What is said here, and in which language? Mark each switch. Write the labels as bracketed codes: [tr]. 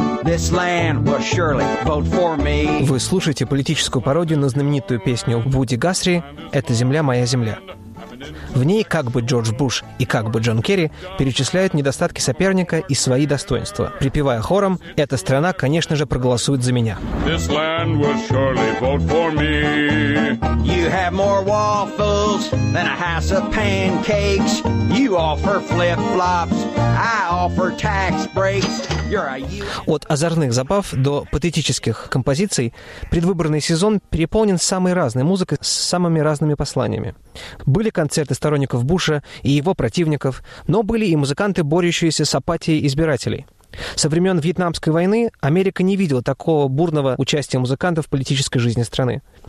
[en] This land will surely vote for me. [ru] Вы слушаете политическую пародию на знаменитую песню Вуди Гасри «Эта земля, моя земля». В ней как бы Джордж Буш и как бы Джон Керри перечисляют недостатки соперника и свои достоинства, припевая хором «Эта страна, конечно же, проголосует за меня». [en] This land will surely vote for me. You have more waffles than a house of pancakes. You offer flip-flops, I offer tax breaks. [ru] От озорных забав до патетических композиций предвыборный сезон переполнен самой разной музыкой с самыми разными посланиями. Были концерты сторонников Буша и его противников, но были и музыканты, борющиеся с апатией избирателей. Со времен Вьетнамской войны Америка не видела такого бурного участия музыкантов в политической жизни страны.